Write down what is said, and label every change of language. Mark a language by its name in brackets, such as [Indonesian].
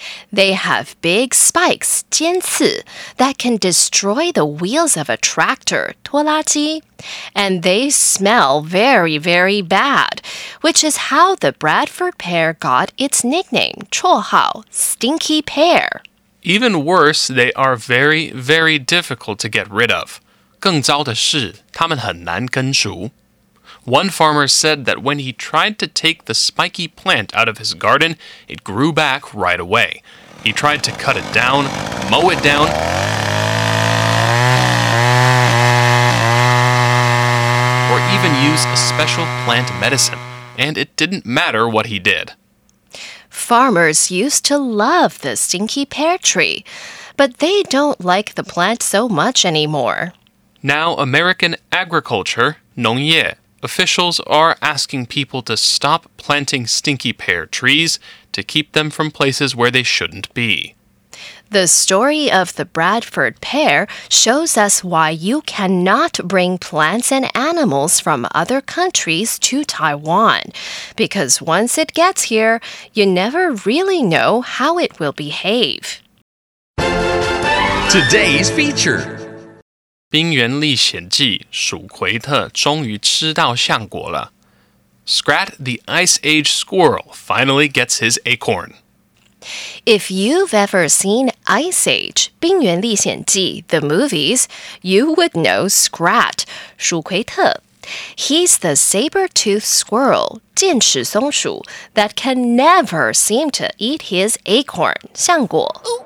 [English] They have big spikes, [Chinese] 尖刺, [English] that can destroy the wheels of a tractor, [Chinese] 拖拉机, [English] and they smell very, very bad, which is how the Bradford pear got its nickname, [Chinese] 绰号, [English] stinky pear. Even worse, they are very, very difficult to get rid of. [Chinese] 更糟的是,他们很难根除。 [English] One farmer said that when he tried to take the spiky plant out of his garden, it grew back right away. He tried to cut it down, mow it down, or even use a special plant medicine, and it didn't matter what he did. Farmers used to love the stinky pear tree, but they don't like the plant so much anymore. Now, American agriculture, [Chinese] 农业, [English] officials are asking people to stop planting stinky pear trees to keep them from places where they shouldn't be. The story of the Bradford pear shows us why you cannot bring plants and animals from other countries to Taiwan. Because once it gets here, you never really know how it will behave. Today's feature. [Chinese] 《冰原历险记》鼠奎特终于吃到橡果了。 [English] Scrat the Ice Age squirrel finally gets his acorn. If you've ever seen Ice Age, [Chinese] 冰原历险记, [English] the movies, you would know Scrat, [Chinese] 鼠奎特. [English] He's the saber-toothed squirrel, [Chinese] 剑齿松鼠, [English] that can never seem to eat his acorn, [Chinese] 橡果。